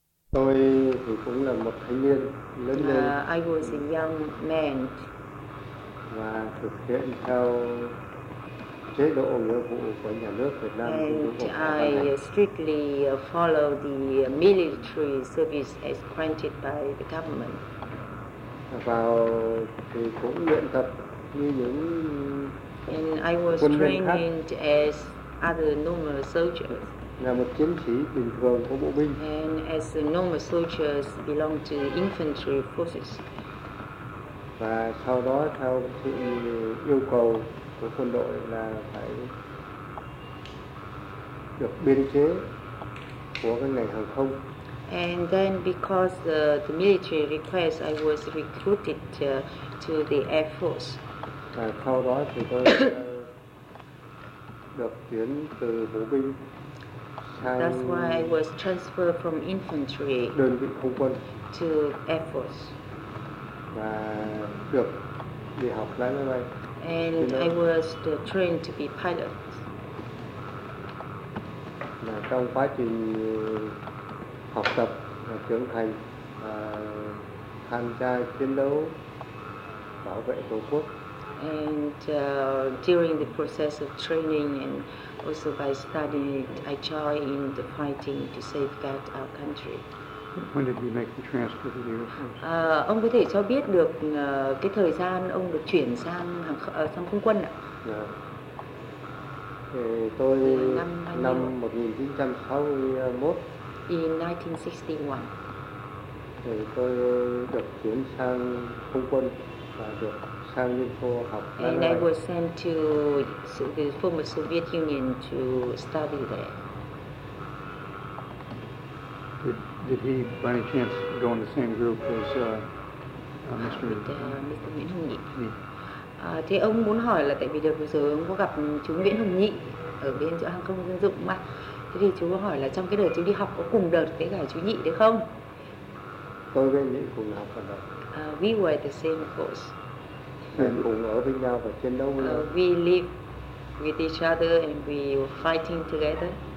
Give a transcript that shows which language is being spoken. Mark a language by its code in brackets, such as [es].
[vi] Tôi thì cũng là một thanh niên lớn lên [en] I was a young man. [vi] và thực hiện theo chế độ nghĩa vụ của nhà nước Việt Nam khi [en] And [vi] nước Cộng hòa ban [en] I strictly follow the military service as granted by the government. [vi] hành. Vào thì cũng luyện tập như những [en] And I was [vi] quân nhân khác, [en] trained as other normal soldiers. [vi] là một chiến sĩ bình thường của bộ binh. [en] And as normal soldiers belong to the infantry forces. [vi] Và sau đó theo sự yêu cầu của quân đội là phải được biên chế của cái ngành hàng không. [en] And then because the military request, I was recruited to the Air Force. [vi] Và sau đó thì tôi được chuyển từ bộ binh [en] That's why I [vi] sang [en] was transferred from infantry [vi] đơn vị không quân [en] to Air Force. [vi] và được đi học lái máy bay [en] And [vi] trên [en] I [vi] đó. [en] was trained to be pilot. [vi] Mà trong quá trình học tập và trưởng thành và tham gia chiến đấu bảo vệ Tổ quốc [en] And during the process of training and also by studying, I joined the fighting to safeguard our country. When did you make the transfer to the Air Force? [vi] Ông có thể cho biết được cái thời gian ông được chuyển sang sang không quân ạ? Thì tôi năm bao năm 1961 [en] In 1961. [vi] Thì tôi được chuyển sang không quân và được sang Liên Xô học lái [en] And [vi] máy bay. [en] was sent to the former Soviet Union to study there. Did he, by any chance, go in the same group as Mr. Nguyễn Hồng Nhị? [vi] Thế ông muốn hỏi là tại vì được vừa rồi ông có gặp chú Nguyễn Hồng Nhị ở bên chỗ hàng không dân dụng mà. Thế thì chú có hỏi là trong cái đợt chú đi học có cùng đợt với cả chú Nhị đấy không? Tôi với Nhị cùng học ở đó. [en] We were the same course. [vi] Cùng ở với nhau và chiến đấu với nhau. [en] We live with each other and we were fighting together.